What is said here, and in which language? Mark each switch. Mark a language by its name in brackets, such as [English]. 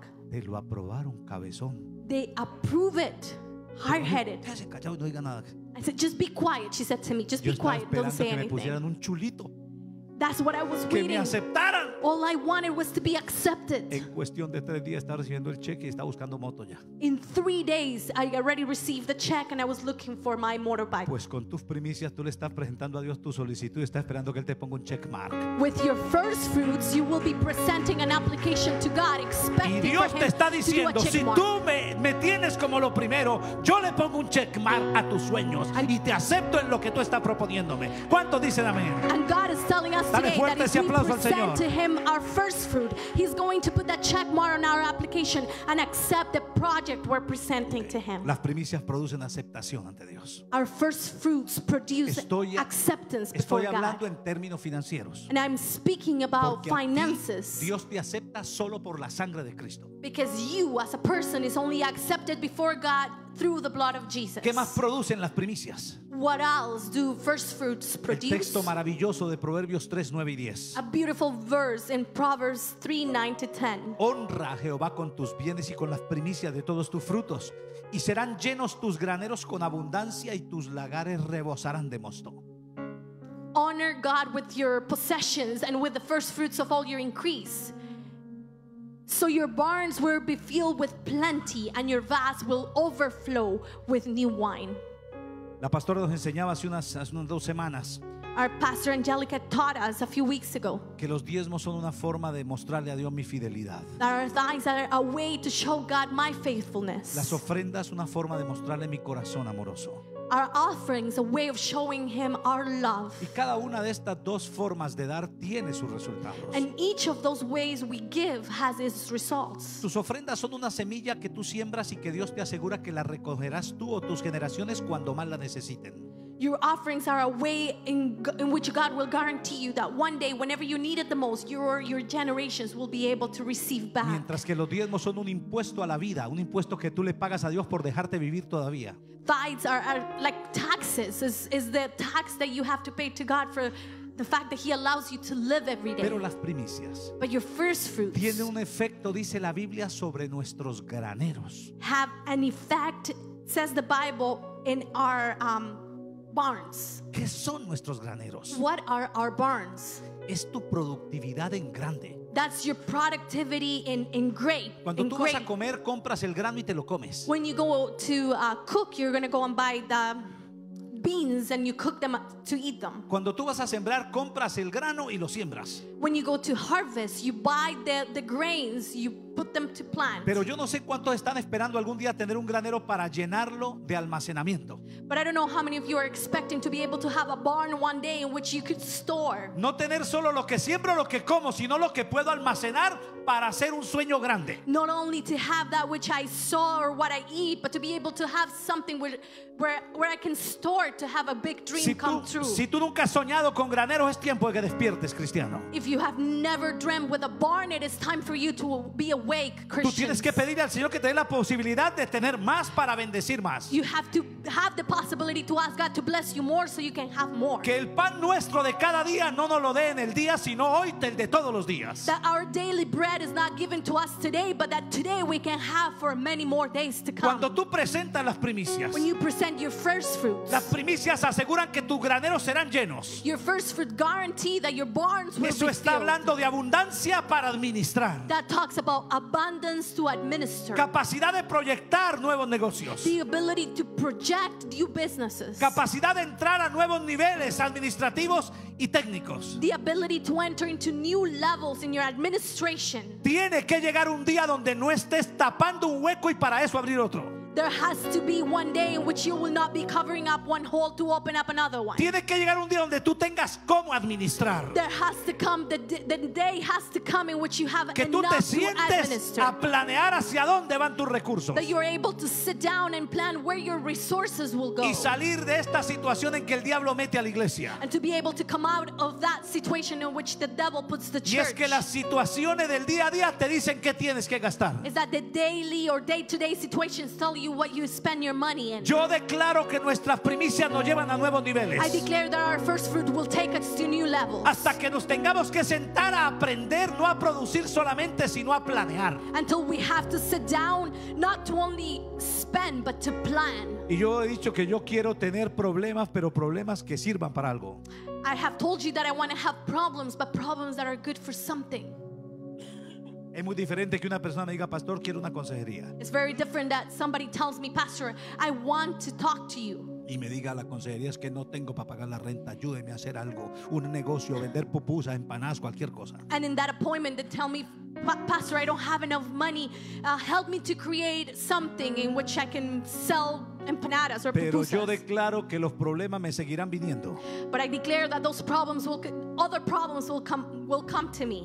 [Spanish] Te lo aprobaron, cabezón. [English] They approve it, hard-headed. [Spanish] ¿Qué hace? Callado, no diga nada. [English] I said, just be quiet, she said to me, just [Spanish] yo [English] be quiet, don't say anything. [Spanish] Me pusieran un chulito. [English] That's what I was waiting. [Spanish] Que me aceptaran. [English] All I wanted was to be accepted. [Spanish] En cuestión de tres días estaba recibiendo el cheque y estaba buscando moto ya. [English] In 3 days I already received the check and I was looking for my motorbike. [Spanish] Pues con tus primicias tú le estás presentando a Dios tu solicitud y estás esperando que él te ponga un check mark. [English] With your first fruits you will be presenting an application to God expecting for him. [Spanish] Y Dios te está diciendo, si tú me tienes como lo primero, yo le pongo un check mark a tus sueños y te acepto en lo que tú estás proponiéndome. ¿Cuántos dicen amén? [English] And God is telling us today, [Spanish] dale fuerte ese aplauso al Señor. [English] Him our first fruit, he's going to put that check mark on our application and accept the project we're presenting to him. [Spanish] Las primicias producen aceptación ante Dios. [English] Our first fruits produce acceptance before God. [Spanish] Estoy hablando en términos financieros. [English] And I'm speaking about finances. [Spanish] Dios te acepta solo por la sangre de Cristo. [English] Because you as a person is only accepted before God through the blood of Jesus. [Spanish] ¿Qué más producen las primicias? [English] What else do first fruits produce? [Spanish] El texto maravilloso de Proverbios 3, 9 y 10. [English] A beautiful verse in Proverbs 3, 9 to 10. [Spanish] Honra a Jehová con tus bienes y con las primicias de todos tus frutos, y serán llenos tus graneros con abundancia y tus lagares rebosarán de mosto. [English] Honor God with your possessions and with the first fruits of all your increase. So your barns will be filled with plenty and your vats will overflow with new wine. [Spanish] La pastora nos enseñaba hace unas dos semanas. [English] Our pastor Angelica taught us a few weeks ago. [Spanish] Que los diezmos son una forma de mostrarle a Dios mi fidelidad. [English] That our tithes are a way to show God my faithfulness. [Spanish] Las ofrendas una forma de mostrarle mi corazón amoroso. [English] Our offerings a way of showing him our love. [Spanish] Y cada una de estas dos formas de dar tiene sus resultados. [English] And each of those ways we give has its results. [Spanish] Tus ofrendas son una semilla que tú siembras y que Dios te asegura que la recogerás tú o tus generaciones cuando más la necesiten. [English] Your offerings are a way in which God will guarantee you that one day, whenever you need it the most, your generations will be able to receive back. [Spanish] Mientras que los diezmos son un impuesto a la vida, un impuesto que tú le pagas a Dios por dejarte vivir todavía. [English] Tithes are like taxes. Is the tax that you have to pay to God for the fact that He allows you to live every day. [Spanish] Pero las primicias. [English] But your first fruits. [Spanish] Tiene un efecto, dice la Biblia, sobre nuestros graneros. [English] Have an effect, says the Bible, in our barns. [Spanish] ¿Qué son nuestros graneros? [English] What are our barns? [Spanish] Es tu productividad en grande. [English] That's your productivity in great. [Spanish] Cuando [English] in [Spanish] tú [English] great. [Spanish] Vas a comer, compras el grano y te lo comes. [English] When you go to cook, you're going to go and buy the beans and you cook them to eat them. [Spanish] Cuando tú vas a sembrar, compras el grano y lo siembras. [English] When you go to harvest, you buy the grains, you put them to plant. [Spanish] Pero yo no sé cuántos están esperando algún día tener un granero para llenarlo de almacenamiento. [English] But I don't know how many of you are expecting to be able to have a barn one day in which you could store. [Spanish] No tener solo lo que siembro, lo que como, sino lo que puedo almacenar para hacer un sueño grande. [English] Not only to have that which I sow or what I eat, but to be able to have something where I can store to have a big dream [Spanish] si tú, [English] come true. [Spanish] Si tú nunca has soñado con graneros, es tiempo de que despiertes, cristiano. [English] If you have never dreamt with a barn, it is time for you to be awake, Christian. [Spanish] Tú tienes que pedir al Señor que te dé la posibilidad de tener más para bendecir más. [English] You have to have the possibility to ask God to bless you more so you can have more. [Spanish] Que el pan nuestro de cada día no nos lo dé en el día, sino hoy, el de todos los días. [English] That our daily bread is not given to us today, but that today we can have for many more days to come. [Spanish] Cuando tú presentas las primicias, [English] when you present your first fruits, [Spanish] las primicias aseguran que tus graneros serán llenos. [English] Your first fruit guarantee that your barns will be filled. [Spanish] Eso está hablando de abundancia para administrar. [English] That talks about abundance to administer. [Spanish] Capacidad de proyectar nuevos negocios. [English] The ability to project new businesses. [Spanish] Capacidad de entrar a nuevos niveles administrativos y técnicos. [English] The ability to enter into new levels in your administration. [Spanish] Tiene que llegar un día donde no estés tapando un hueco y para eso abrir otro. [English] There has to be one day in which you will not be covering up one hole to open up another one. [Spanish] Tiene que llegar un día donde tú tengas cómo administrar. [English] There has to come the day has to come in which you have [Spanish] que [English] enough [Spanish] tú te sientes [English] to administer. [Spanish] A planear hacia dónde van tus recursos. [English] That you're able to sit down and plan where your resources will go. [Spanish] Y salir de esta situación en que el diablo mete a la iglesia. [English] And to be able to come out of that situation in which the devil puts the church. [Spanish] Y es que las situaciones del día a día te dicen qué tienes que gastar. [English] Is that the daily or day-to-day situations tell you what you spend your money in. [Spanish] Yo declaro que nuestras primicias nos llevan a nuevos niveles. [English] I declare that our first fruit will take us to new levels. [Spanish] Hasta que nos tengamos que sentar a aprender, no a producir solamente, sino a planear. [English] Until we have to sit down, not to only spend, but to plan. [Spanish] Y yo he dicho que yo quiero tener problemas, pero problemas que sirvan para algo. [English] I have told you that I want to have problems, but problems that are good for something. [Spanish] Es muy diferente que una persona me diga, pastor, quiero una consejería. [English] It's very different that somebody tells me, pastor, I want to talk to you. [Spanish] Y me diga, la consejería es que no tengo para pagar la renta, ayúdeme a hacer algo, un negocio, vender pupusas, empanadas, cualquier cosa. [English] And in that appointment they tell me, pastor, I don't have enough money, help me to create something in which I can sell empanadas or [Spanish] pero [English] pupusas. [Spanish] Yo declaro que los problemas me seguirán viniendo. [English] But I declare that those problems will other problems will come to me.